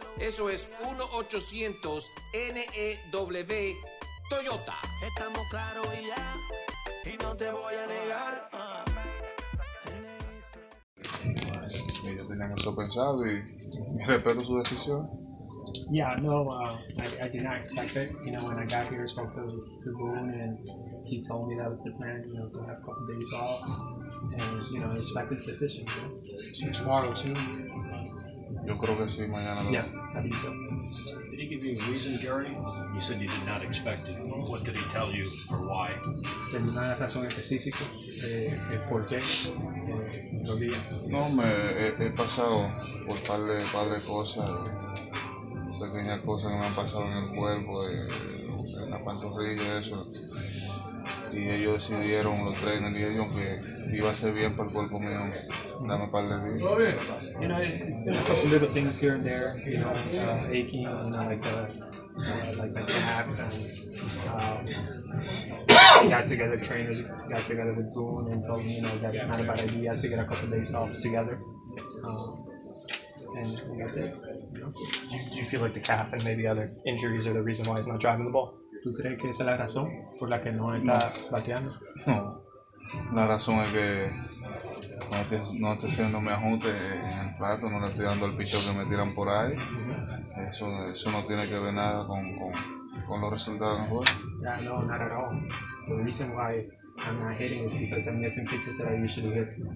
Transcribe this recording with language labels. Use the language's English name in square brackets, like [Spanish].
[Spanish] Eso es 1-800-NEW-TOYOTA. Estamos claros y ya, y no te voy a negar. Yo tenía mucho pensado y respeto su decisión. [English] Yeah, no, I did not expect it. You know, when I got here, I spoke to Boone, and he told me that was the plan, you know, to have a couple of days off, and, you know, I expect this decision. So tomorrow, too? [Spanish] Yo creo que sí, mañana. [English] Yeah, I think so. Did he give you a reason, Jerry? You said you did not expect it. What did he tell you, or why? [Spanish] De una razón específica, por qué, lo diga. No, me he pasado por par de cosas. Pequeñas cosas que me han pasado en el cuerpo, en la pantorrilla y eso. y ellos decidieron, los trainers y ellos, que iba a ser bien para el cuerpo mío. Dame un par de días. [English] You know, it's been a couple little things here and there, you know, aching and like the cap, and got together, trainers got together with Boone and told me, you know, that it's not a bad idea to get a couple days off together. And that's it. Do you feel like the calf and maybe other injuries are the reason why he's not driving the ball? [Spanish] ¿Tú crees que esa es la razón por la que no está bateando? No. La razón es que no estoy haciendo mi ajuste en el plato, no le estoy dando el picheo que me tiran por ahí. Mm-hmm. Eso no tiene que ver nada con los resultados en el juego. [English] Yeah, no, not at all. The reason why I'm not hitting is because I'm missing pitches that I usually hit.